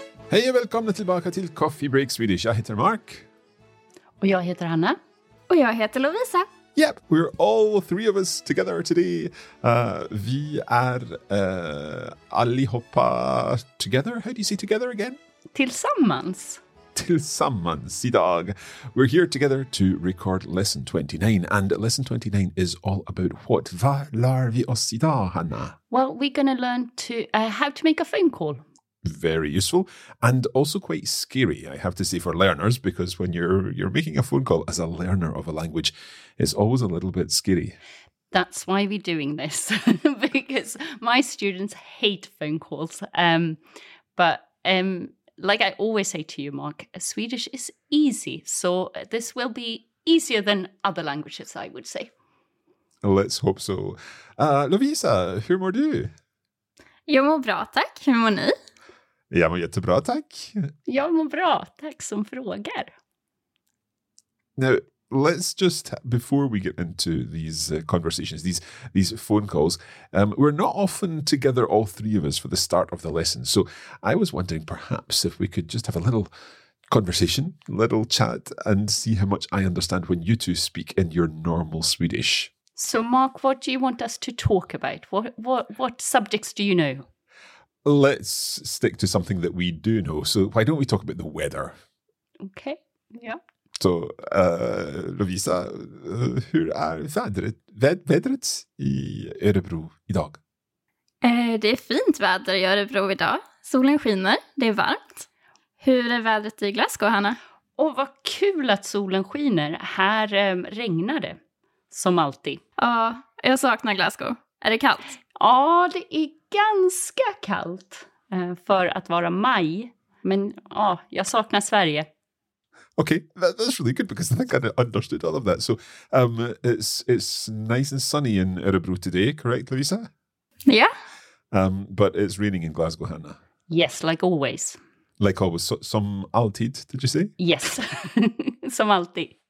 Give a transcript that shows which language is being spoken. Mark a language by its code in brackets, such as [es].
[sv] Hej och välkomna tillbaka till Coffee Break Swedish. Jag heter Mark. Och jag heter Hanna. Och jag heter Lovisa. [en] Yep, we're all three of us together today. [sv] Vi är allihopa together. [en] How do you say together again? [sv] Tillsammans. Tillsammans idag. [en] We're here together to record lesson 29. And lesson 29 is all about what? [sv] Vad lär vi oss idag, Hanna? [en] Well, we're going to learn to how to make a phone call. Very useful. And also quite scary, I have to say, for learners, because when you're making a phone call as a learner of a language, it's always a little bit scary. That's why we're doing this, because my students hate phone calls. Like I always say to you, Mark, Swedish is easy. So this will be easier than other languages, I would say. Let's hope so. Lovisa, [sv] hur mår du? Jag mår bra, tack. Hur mår ni? Jag mår jättebra, tack. Jag mår bra, tack som frågar. [en] Now, let's just, before we get into these conversations, these phone calls, we're not often together, all three of us, for the start of the lesson. So I was wondering perhaps if we could just have a little conversation, little chat, and see how much I understand when you two speak in your normal Swedish. So Mark, what do you want us to talk about? What subjects do you know? Let's stick to something that we do know. So why don't we talk about the weather? Okay, yeah. [sv] Så, Lovisa, hur är vädret i Örebro idag? Det är fint väder i Örebro idag. Solen skiner, det är varmt. Hur är vädret i Glasgow, Hanna? Och vad kul att solen skiner. Här regnar det, som alltid. Ja, jag saknar Glasgow. Är det kallt? Ja, det är ganska kallt för att vara maj. Men ja, jag saknar Sverige. [en] Okay, that's really good because I think I understood all of that. So it's nice and sunny in Örebro today, correct, Lovisa? Yeah. But it's raining in Glasgow, Hanna. Yes, like always. Like always. [sv] Som alltid, [en] did you say? [sv] Yes, som alltid.